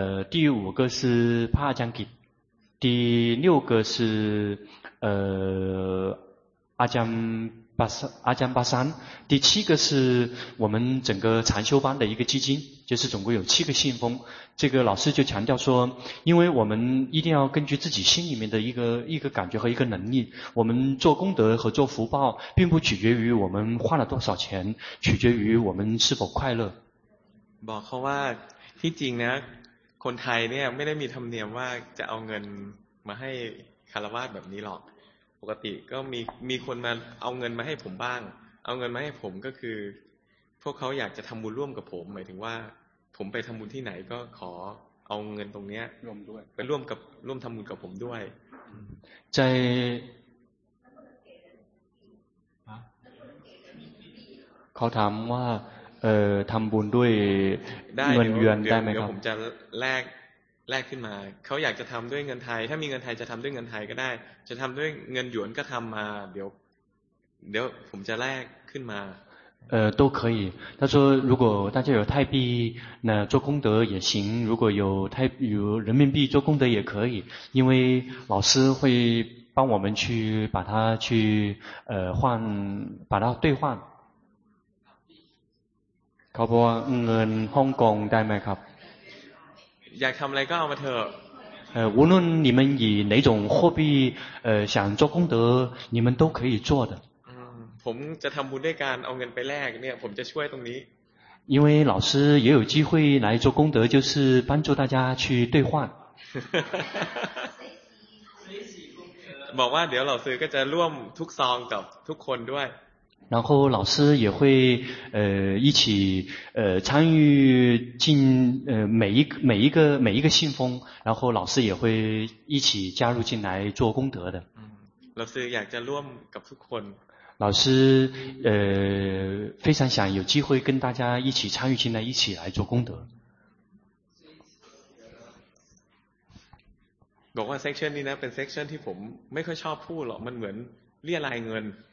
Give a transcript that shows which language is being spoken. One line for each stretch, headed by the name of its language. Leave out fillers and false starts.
Chinese: 第五个是帕江吉第六个是阿江巴桑第七个是我们整个禅修班的一个基金就是总共有七个信封这个老师就强调说因为我们一定要根据自己心里面的一个感觉和一个能力我们做功德和做福报并不取决于我们花了多少钱取决于我们是否快乐
Thai: บอกเขาว่าที่จริงนะคนไทยเนี่ยไม่ได้มีธรรมเนียมว่าจะเอาเงินมาให้คารวะแบบนี้หรอกปกติก็มีคนมาเอาเงินมาให้ผมบ้างเอาเงินมาให้ผมก็คือพวกเขาอยากจะทำบุญร่วมกับผมหมายถึงว่าผมไปทำบุญที่ไหนก็ขอเอาเงินตรงนี้ร่วมด้วย ไปร่วมทำบุญกับผมด้วย ใจเขาถามว่าทำบุญด้วยเงินเยือนได้ไหมครับ เดี๋ยวผมจะแลกขึ้นมาเขาอยากจะทำด้วยเงินไทยถ้ามีเงินไทยจะทำด้วยเงินไทยก็ได้จะทำด้วยเงินหยวนก็ทำมาเดี๋ยวผมจะแลกขึ้นมา
Chinese: 都可以。他说，如果大家有泰币，那做功德也行；如果有人民币做功德也可以，因为老师会帮我们去把它去换，把它兑换。
Thai: เขาบอกว่าเงินฮ่องกงได้ไหมครับ อยากทำอะไรก็เอามาเถอะ
Chinese: 无论你们以哪种货币想做功德，你们都可以做的。
Thai: ผมจะทำบุญด้วยการเอาเงินไปแลกเนี่ยผมจะช่วยตรงนี้
Chinese: 因为老师也有机会来做功德就是帮助大家去兑换
Thai: บอกว่าเดี๋ยวเหล่าซื้อก็จะร่วมทุกซองกับทุกคนด้วย
Chinese: 然后老师也会一起参与进每一个信封然后老师也会一起加入进来做功德的
Thai: เหล่าซื้ออยากจะร่วมกับทุกคน
Chinese: 老师非常想有机会跟大家一起参与进来一起来做功德
Thai: บอกว่าเซ็กชันนี้นะเป็นเซ็กชันที่ผมไม่ค่อยชอบพูดหรอกมันเหมือนเรียรายเงิน